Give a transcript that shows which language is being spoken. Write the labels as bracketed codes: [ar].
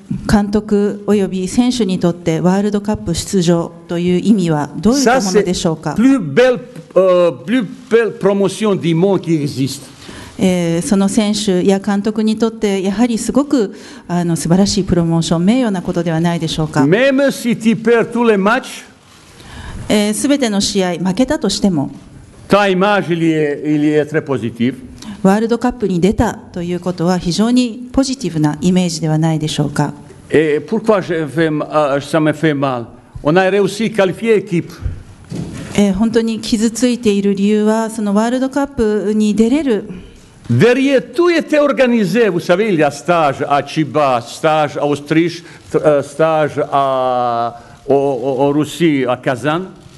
[ja] 監督および選手にとってワールドカップ出場という意味はどういったものでしょうか？プルベルプロモーションディモンキエジスト、その選手や監督にとってやはりすごく素晴らしいプロモーション、名誉なことではないでしょうか。 [fr] Même si tu perds tous les matchs, [ja] 全ての試合負けたとしても、 [fr] ta image, il est très positive. [ja] ワールドカップに出たということは非常にポジティブなイメージではないでしょうか。 [fr] Pourquoi ça me fait mal? On a réussi à qualifier l'équipe. [ja] 本当に傷ついている理由は、そのワールドカップに出れる。 [fr] Derrière tout était organisé, vous savez, il y a stage à Chiba, stage à Austriche, stage à en Russie, à Kazan.